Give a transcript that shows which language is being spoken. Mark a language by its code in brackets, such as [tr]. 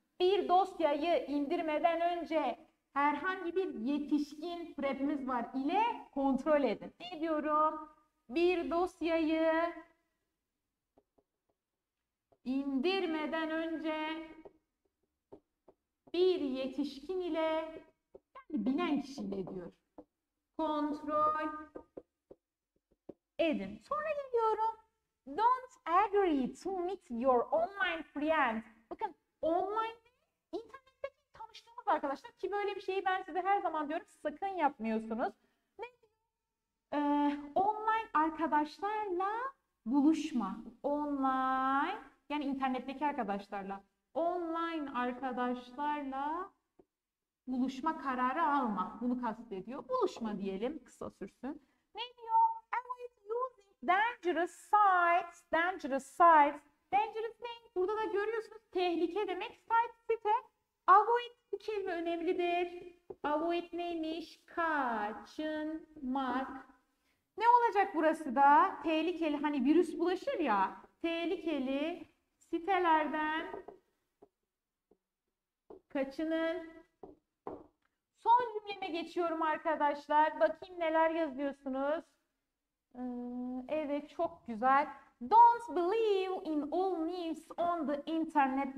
[tr] Bir dosyayı indirmeden önce herhangi bir yetişkin prep'imiz var ile kontrol edin. Ne diyorum? Bir dosyayı indirmeden önce bir yetişkin ile, yani bilen kişiyle diyor. Kontrol edin. Sonra geliyorum. [en] Don't agree to meet your online friend. [tr] Bakın online arkadaşlar ki böyle bir şeyi ben size her zaman diyorum sakın yapmıyorsunuz. Ne? Online arkadaşlarla buluşma. Online yani internetteki arkadaşlarla. Online arkadaşlarla buluşma kararı alma. Bunu kastediyor. Buluşma diyelim kısa sürsün. [en] Ne diyor? Avoid using dangerous sites. Dangerous sites. Dangerous [tr] ne? Burada da görüyorsunuz tehlike demek. Site site. Avoid kelime önemlidir. Avoid neymiş? Kaçınmak. Ne olacak burası da? Tehlikeli, hani virüs bulaşır ya. Tehlikeli sitelerden kaçının. Cümleme geçiyorum arkadaşlar. Bakayım neler yazıyorsunuz. Evet çok güzel. [en] Don't believe in all news on the internet.